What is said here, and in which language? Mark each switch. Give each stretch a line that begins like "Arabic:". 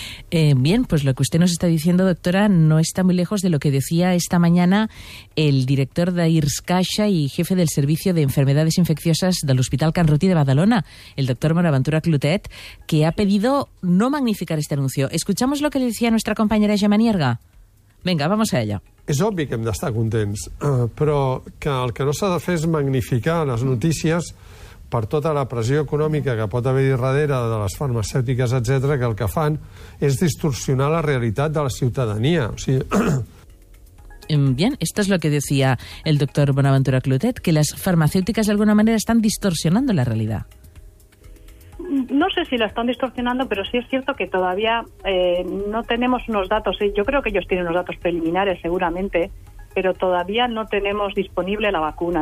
Spanish: Bien, pues lo que usted nos está diciendo, doctora, no está muy lejos de lo que decía esta mañana el director de IRSCAIXA y jefe del Servicio de Enfermedades Infecciosas del Hospital Can Ruti de Badalona, el doctor Bonaventura Clotet, que ha pedido no magnificar este anuncio. ¿Escuchamos lo que le decía nuestra compañera Gemma Nierga? Venga, vamos a ella.
Catalan: És obvi que hem d'estar contents, però que el que no s'ha de fer és magnificar les notícies per tota la pressió econòmica que pot haver-hi darrere de les farmacèutiques, etc., que el que fan és distorsionar la realitat de la ciutadania. O sigui...
Spanish: Bien, esto es lo que decía el doctor Bonaventura Clotet, que las farmacéuticas de alguna manera están distorsionando la realidad. No sé si lo están distorsionando, pero sí es cierto que todavía no tenemos unos datos. Yo creo que ellos tienen unos datos preliminares, seguramente, pero todavía no tenemos disponible la vacuna.